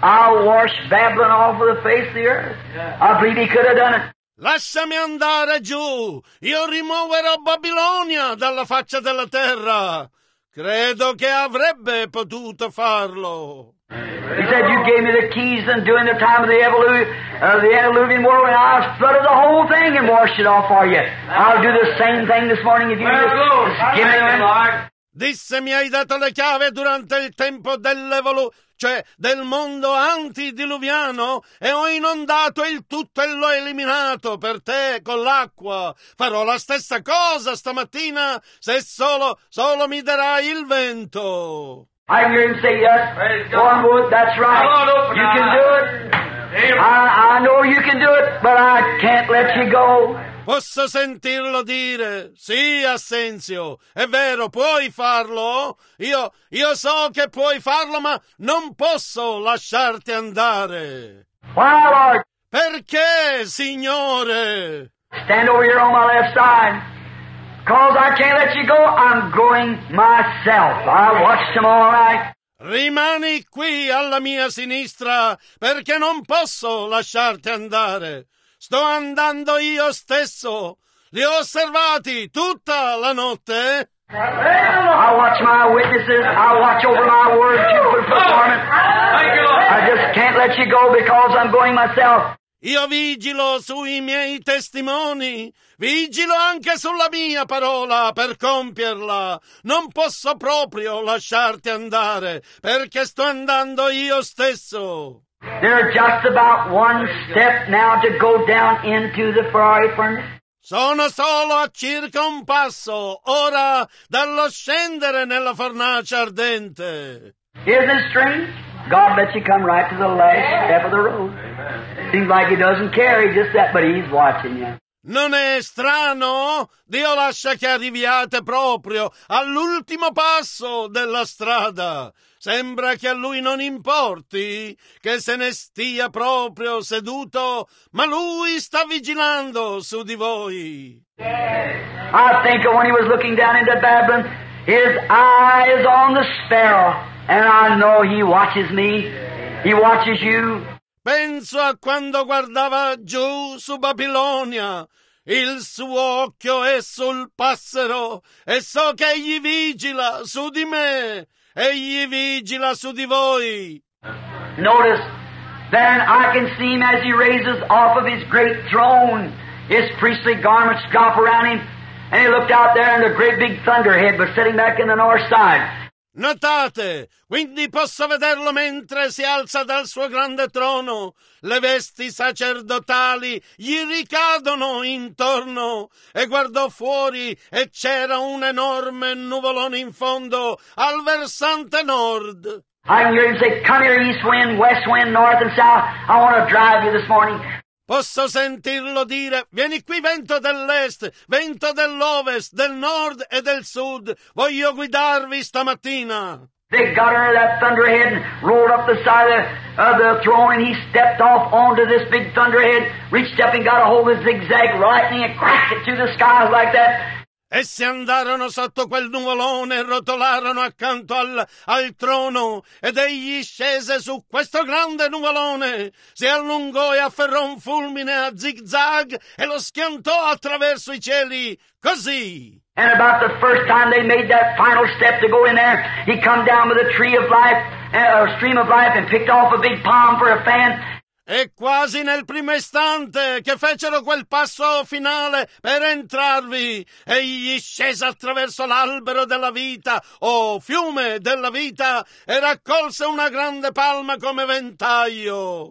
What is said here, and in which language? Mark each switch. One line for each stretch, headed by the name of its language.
English: I'll wash Babylon off of the face of the earth. I believe he could have done it.
Italian: Lasciami andare giù, io rimuoverò Babilonia dalla faccia della terra. Credo che avrebbe potuto farlo.
English: He said, you gave me the keys and during the time of the antediluvian world, and I flooded the whole thing and washed it off for you. I'll do the same thing this morning if you just give me a
Italian: Disse, mi hai dato le chiavi durante il tempo dell'evoluzione, cioè del mondo antidiluviano, e ho inondato il tutto e l'ho eliminato per te con l'acqua. Farò la stessa cosa stamattina se solo mi darai il vento.
English: I hear him say yes. Wormwood, that's right. Come on, open you can do it. I know you can do it, but I can't let you go.
Italian: Posso sentirlo dire, sì, Assenzio, è vero, puoi farlo. Io so che puoi farlo, ma non posso lasciarti andare.
English: Why, Lord?
Italian: Perché, Signore?
English: Stand over here on my left side. Because I can't let you go, I'm going myself. I watched them all night.
Italian: Rimani qui alla mia sinistra, perché non posso lasciarti andare. Sto andando io stesso. Li ho osservati tutta la notte.
English: I watch my witnesses. I watch over my word. I just can't let you go because I'm going myself.
Italian: Io vigilo sui miei testimoni. Vigilo anche sulla mia parola per compierla. Non posso proprio lasciarti andare perché sto andando io stesso.
English: They're just about one step now to go down into the fiery furnace.
Italian: Sono solo a circa un passo ora dallo scendere nella fornace ardente.
English: Isn't it strange? God lets you come right to the last step of the road. Amen. Seems like he doesn't care, he just that, but he's watching you.
Italian: Non è strano? Dio lascia che arriviate proprio all'ultimo passo della strada. Sembra che a lui non importi, che se ne stia proprio seduto, ma lui sta vigilando su di voi.
English: I think of when he was looking down into Babylon, his eye is on the sparrow, and I know he watches me, he watches you.
Italian: Penso a quando guardava giù su Babilonia, il suo occhio è sul passero, e so che egli vigila su di me. Egli vigila su di voi.
English: Notice, then I can see him as he raises off of his great throne. His priestly garments drop around him. And he looked out there and the great big thunderhead was sitting back in the north side.
Italian: Notate, quindi posso vederlo mentre si alza dal suo grande trono. Le vesti sacerdotali gli ricadono intorno. E guardò fuori e c'era un enorme nuvolone in fondo al versante nord.
English: I can hear him say, come here east wind, west wind, north and south. I want to drive you this morning.
Italian: Posso sentirlo dire, vieni qui vento dell'est, vento dell'ovest, del nord e del sud, voglio guidarvi stamattina.
English: They got under that thunderhead and rolled up the side of the throne and he stepped off onto this big thunderhead, reached up and got a hold of the zigzag lightning and cracked it through the sky like that.
Italian: Essi andarono sotto quel nuvolone e rotolarono accanto al trono ed egli scese su questo grande nuvolone, si allungò e afferrò un fulmine a zigzag e lo schiantò attraverso i cieli, così.
English: And about the first time they made that final step to go in there, he come down with a tree of life, a stream of life, and picked off a big palm for a fan.
Italian: E quasi nel primo istante che fecero quel passo finale per entrarvi, egli scese attraverso l'albero della vita, o fiume della vita, e raccolse una grande palma come ventaglio.